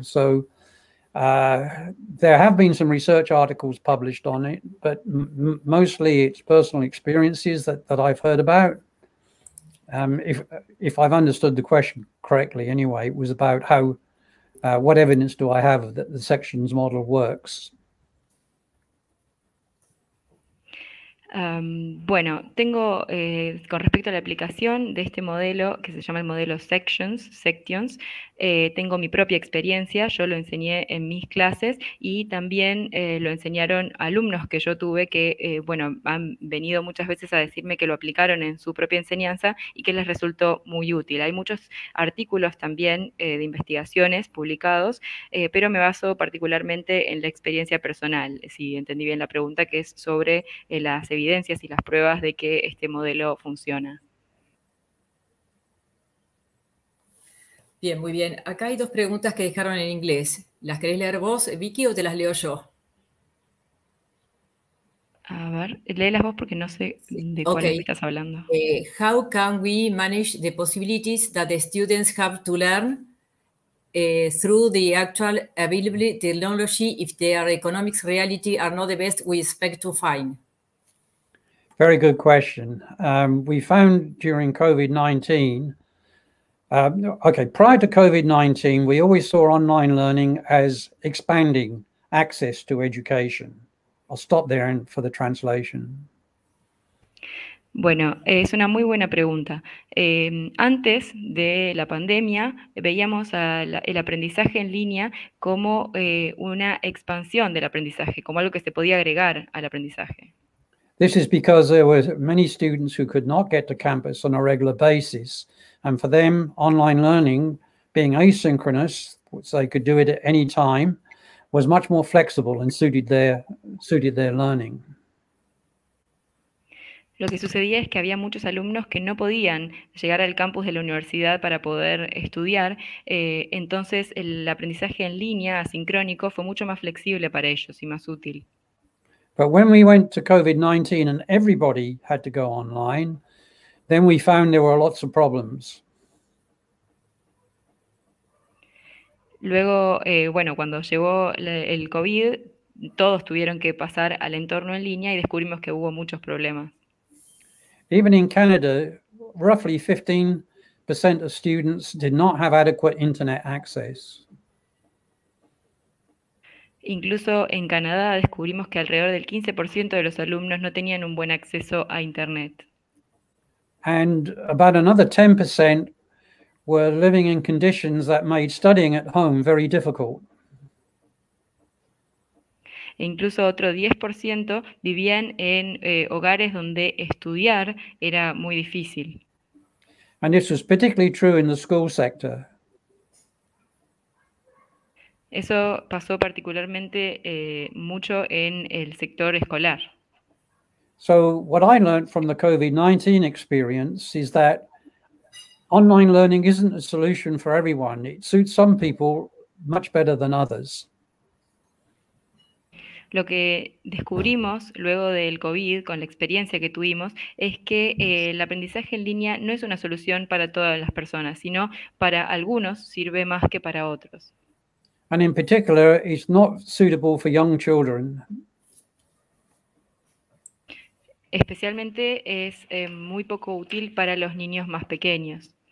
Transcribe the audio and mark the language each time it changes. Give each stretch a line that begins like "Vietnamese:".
English: So there have been some research articles published on it, but mostly it's personal experiences that I've heard about. If I've understood the question correctly anyway, it was about how what evidence do I have that the sections model works?
Spanish: Bueno, tengo con respecto a la aplicación de este modelo que se llama el modelo Sections, tengo mi propia experiencia, yo lo enseñé en mis clases y también lo enseñaron alumnos que yo tuve que, bueno, han venido muchas veces a decirme que lo aplicaron en su propia enseñanza y que les resultó muy útil. Hay muchos artículos también de investigaciones publicados, pero me baso particularmente en la experiencia personal, si entendí bien la pregunta, que es sobre las evidencias y las pruebas de que este modelo funciona. Bien, muy bien. Acá hay dos preguntas que dejaron en inglés. ¿Las querés leer vos, Vicky, o te las leo yo? A ver, léelas vos porque no sé de cuál okay. estás hablando.
English: How can we manage the possibilities that the students have to learn through the actual available technology if their economic reality are not the best we expect to find? Very good question. We found during COVID-19, prior to COVID-19, we always saw online learning as expanding access to education. I'll stop there for the translation.
Spanish: Bueno, es una muy buena pregunta. Antes de la pandemia, veíamos el aprendizaje en línea como una expansión del aprendizaje, como algo que se podía agregar al aprendizaje.
English: This is because there were many students who could not get to campus on a regular basis. And for them, online learning, being asynchronous, which they could do it at any time, was much more flexible and suited their learning.
Spanish: Lo que sucedía es que había muchos alumnos que no podían llegar al campus de la universidad para poder estudiar. Entonces, el aprendizaje en línea, asincrónico, fue mucho más flexible para ellos y más útil.
English: But when we went to COVID-19 and everybody had to go online, then we found there were lots of problems.
Spanish: Luego, cuando llegó el COVID, todos tuvieron que pasar al entorno en línea y descubrimos que hubo muchos problemas.
English: Even in Canada, roughly 15% of students did not have adequate internet access.
Spanish: Incluso en Canadá descubrimos que alrededor del 15% de los alumnos no tenían un buen acceso a internet.
English: And about another 10% were living in conditions that made studying at home very difficult.
Spanish: E incluso otro 10% vivían en hogares donde estudiar era muy difícil.
English: And this was particularly true in the school sector.
Spanish: Eso pasó particularmente mucho en el sector escolar.
English: So what I learned from the COVID-19 experience is that online learning isn't a solution for everyone. It suits some people much better than others.
Spanish: Lo que descubrimos luego del COVID, con la experiencia que tuvimos, es que el aprendizaje en línea no es una solución para todas las personas, sino para algunos sirve más que para otros.
English: And in particular, it's not suitable for young children.
Spanish: Especialmente es muy poco útil para los niños más pequeños.